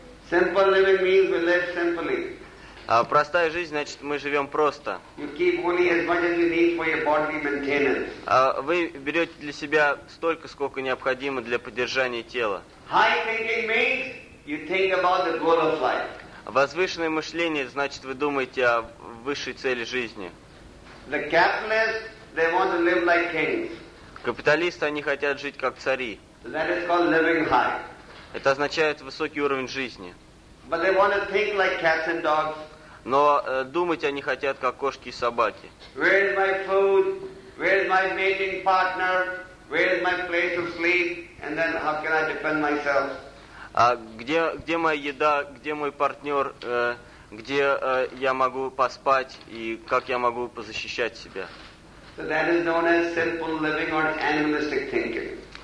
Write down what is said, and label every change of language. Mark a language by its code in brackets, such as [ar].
[en] Simple living means we live simply. [ru] А простая жизнь значит мы живем просто. [en] You keep only as much as you need for your bodily maintenance. [ru] А вы берете для себя столько, сколько необходимо для поддержания тела. [en] High thinking means you think about the goal of life. [ru] Возвышенное мышление значит вы думаете о высшей цели жизни. [en] The capitalists, they want to live like kings. [ru] Капиталисты, они хотят жить как цари. [en] That is called living high. [ru] Это означает высокий уровень жизни. [en] But they want to think like cats and dogs. [ru] Но думать они хотят как кошки и собаки. [en] Where is my food? Where is my mating partner? Where is my place to sleep? And then how can I defend myself? [ru] А где моя еда? Где мой партнер? Где я могу поспать? И как я могу позащищать себя? [en] So that is known as simple living or animalistic thinking.